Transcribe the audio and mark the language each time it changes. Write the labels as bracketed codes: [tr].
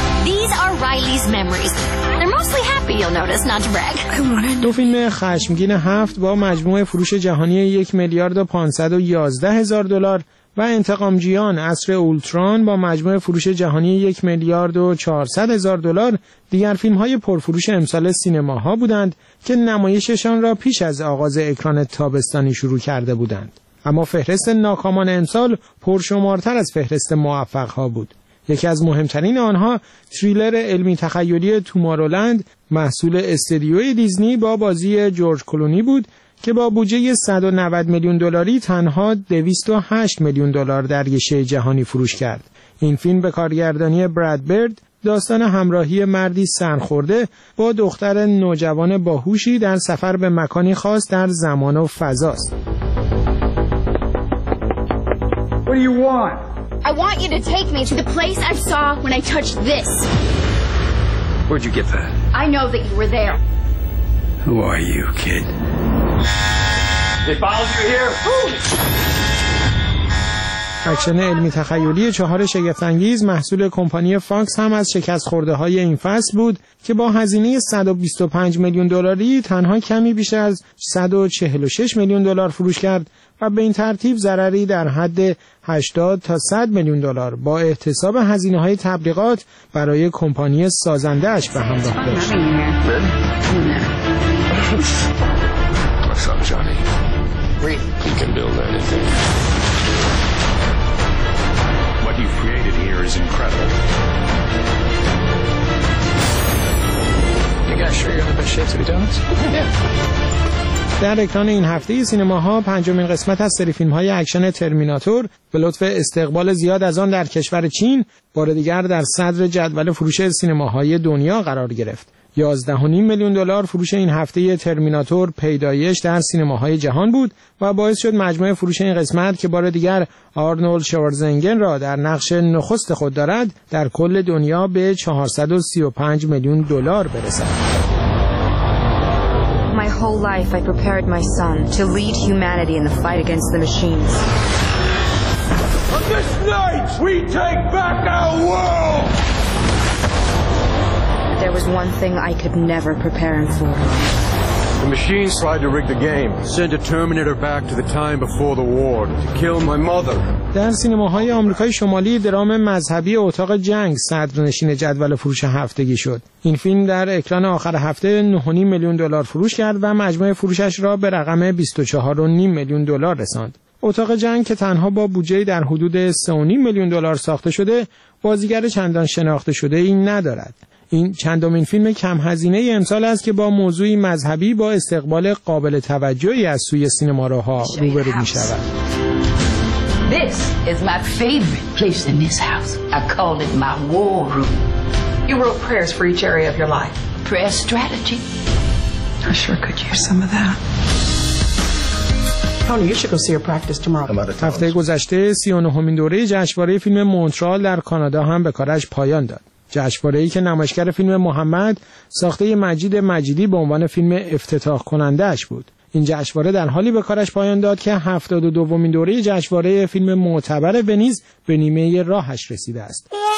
[en] These are Riley's memories. They're mostly happy, you'll notice, not to brag. [fa] دو فیلم خشمگین هفت با مجموع فروش جهانی 1,511,000 دلار و انتقامجویان عصر اولتران با مجموع فروش جهانی 1,400,000 دلار دیگر فیلم‌های پرفروش امسال سینماها بودند که نمایششان را پیش از آغاز اکران تابستانی شروع کرده بودند. اما فهرست ناکامان امسال پرشمارتر از فهرست موفق‌ها بود. یکی از مهمترین آنها تریلر علمی تخیلی تومارولند محصول استودیوی دیزنی با بازی جورج کلونی بود که با بودجه 190,000,000 دلاری تنها 208,000,000 دلار در گشه جهانی فروش کرد. این فیلم به کارگردانی براد برد داستان همراهی مردی سرخورده با دختر نوجوان باهوشی در سفر به مکانی خاص در زمان و فضاست. [en] What do you want? I want you to take me to the place I saw when I touched this. Where'd you get that? I know that you were there. Who are you, kid? [fa] اکشن علمی تخیلی چهار شگفت‌انگیز محصول کمپانی فاکس هم از شکست خورده های این فصل بود که با هزینه 125,000,000 دلاری تنها کمی بیش از 146,000,000 دلار فروش کرد و به این ترتیب ضرری در حد 80 تا 100,000,000 دلار با احتساب هزینه های تبلیغات برای کمپانی سازنده اش به همراه داشت. [en] Son, Johnny. Great. He can build anything. What you've created here is incredible. You guys sure you're the best shapes to be donuts? Yeah. [fa] در اکران این هفته سینماها پنجمین قسمت از سری فیلم های اکشن ترمیناتور به لطف استقبال زیاد از آن در کشور چین بار دیگر در صدر جدول فروش سینماهای دنیا قرار گرفت. 11.5 میلیون دلار فروش این هفته ترمیناتور پیدایش در سینماهای جهان بود و باعث شد مجموع فروش این قسمت که بار دیگر آرنولد شوارزنگر را در نقش نخست خود دارد در کل دنیا به 435 میلیون دلار برسد. [en] My whole life I prepared my son to lead humanity in the fight against the machines. On this night we take back our world. There was one thing I could never prepare him for. The machines tried to rig the game, send a Terminator back to the time before the war to kill my mother. [fa] در سینماهای آمریکای شمالی درام مذهبی اتاق جنگ صدرنشین جدول فروش هفتگی شد. این فیلم در اکران آخر هفته 9.5 میلیون دلار فروش کرد و مجموع فروشش را به رقم 24.5 میلیون دلار رساند. اتاق جنگ که تنها با بودجه در حدود 3.5 میلیون دلار ساخته شده، بازیگر چندان شناخته شده ای ندارد. این چندمین فیلم کم هزینه ای امسال است که با موضوعی مذهبی با استقبال قابل توجهی از سوی سینماروها روبرو می شود. [en] This is my favorite place in this house. I call it my war room. You wrote prayers for each area of your life. Prayer strategy. I sure could use some of that. [fa] هفته گذشته 39مین دوره جشنواره فیلم مونترال در کانادا هم به کارش پایان داد. جشنواره‌ای که نمایشگر فیلم محمد ساخته مجید مجیدی به عنوان فیلم افتتاح کنندهش بود. این جشنواره در حالی به کارش پایان داد که 72مین دوره جشنواره فیلم معتبر ونیز به نیمه راهش رسیده است.